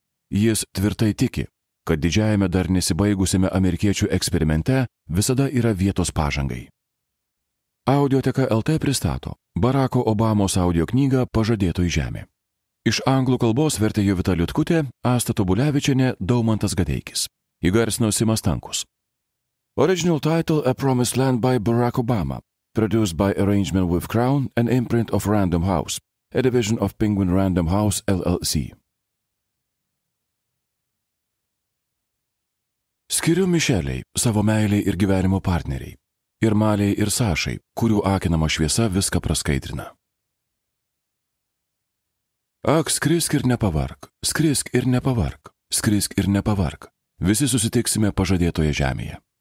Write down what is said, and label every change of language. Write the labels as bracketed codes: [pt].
[lt] Jis tvirtai tiki, kad didžiajame dar nesibaigusime amerikiečių eksperimente visada yra vietos pažangai. Audioteka LT pristato Barako Obamos audio knygą Pažadėtoji žemė. Iš anglų kalbos vertė Jovita Liutkutė, Asta Tobulevičienė, Daumantas Gadeikis. Įgarsino Simas Tankus. [en] Original title A Promised Land by Barack Obama, produced by arrangement with Crown, an imprint of Random House, a division of Penguin Random House, LLC. [lt] Skiriu Mišeliai, savo meiliai ir gyvenimo partneriai, ir Maliai ir Sašai, kurių akinama šviesa viską praskaidrina. Ak, skrisk ir nepavark, skrisk ir nepavark, skrisk ir nepavark, visi susitiksime pažadėtoje žemėje.